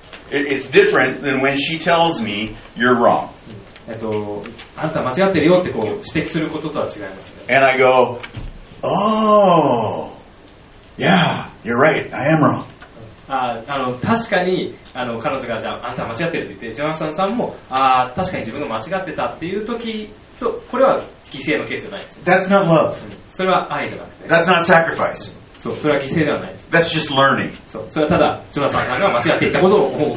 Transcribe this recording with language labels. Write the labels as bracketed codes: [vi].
[en] It's different than when she tells me you're wrong。 [ja] あんた間違ってるよってこう指摘することとは違いますね。 [en] And I go, oh, yeah, you're right, I am wrong。 [ja] あの確かにあの彼女がじゃああんた間違ってるって言って、ジョナサンさんもあ確かに自分が間違ってたっていう時と、これは犠牲のケースじゃないです。 [en] That's not love。 [ja] それは愛じゃなくて。 [en] That's not sacrifice。 [ja] そう、それは犠牲ではないです。 [en] That's just learning。 [ja] そう、それはただジョナサンさんが間違っていったことを